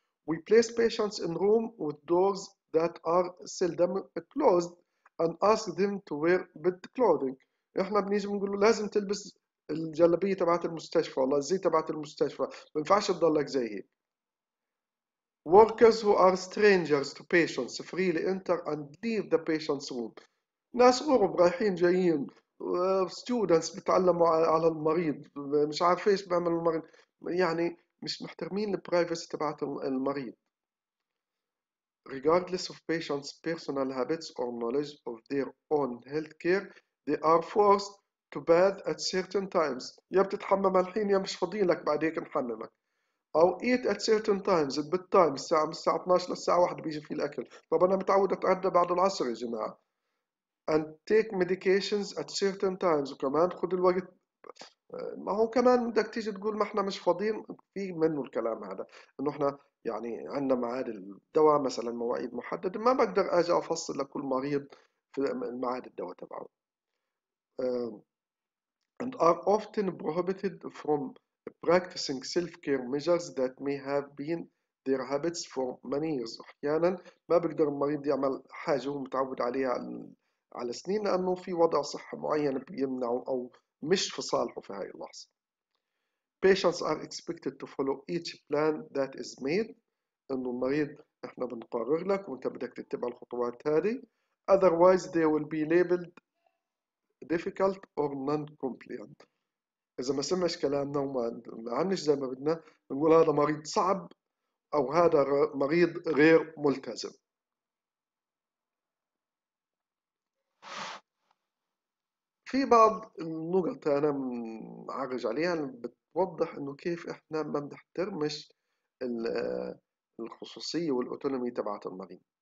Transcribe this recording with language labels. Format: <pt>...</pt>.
<en>We place patients in room with doors that are seldom closed and ask them to wear bed clothing.</en> <ar>احنا بنيجي بنقول له لازم تلبس الجلابيه تبعت المستشفى، والله الزي تبعت المستشفى، ما ينفعش تضلك زي هيك.</ar> <en>Workers who are strangers to patients freely enter and leave the patient's room.</en> <ar>ناس غرب رايحين جايين، students بتعلموا على المريض، مش عارف ايش بيعمل المريض، يعني مش محترمين البرايفسي تبعت المريض.</ar> <en>Regardless of patients' personal habits or knowledge of their own healthcare, they are forced to bathe at certain times.</en> <ar>يا بتتحمم الحين يا مش فاضيين لك بعد هيك نحممك. أو</ar> <en>eat at certain times</en> <ar>بالتايم، الساعة 12 للساعة 1 بيجي في الأكل. طب أنا متعود أتغدى بعد العصر يا جماعة.</ar> <en>And take medications at certain times،</en> <ar>وكمان خد الوقت. ما هو كمان بدك تيجي تقول ما احنا مش فاضيين، في منه الكلام هذا انه احنا يعني عندنا معاد الدواء مثلا مواعيد محدده، ما بقدر اجي افصل لكل مريض في معاد الدواء تبعه.</ar> <en>And are often prohibited from practicing self-care measures that may have been their habits for many years.</en> <ar>احيانا ما بقدر المريض يعمل حاجه هو متعود عليها على سنين لانه في وضع صحه معين بيمنعه او مش في صالحه في هاي اللحظة.</ar> <en>Patients are expected to follow each plan that is made.</en> <ar>إنه المريض إحنا بنقرر لك وإنت بدك تتبع الخطوات هذه.</ar> <en>Otherwise they will be labeled difficult or non-compliant.</en> <ar>إذا ما سمعش كلامنا وما عملش زي ما بدنا بنقول هذا مريض صعب أو هذا مريض غير ملتزم. في بعض النقط انا معرج عليها بتوضح انه كيف احنا ما بنحترمش الخصوصيه والاوتونومي تبعت المريض.</ar>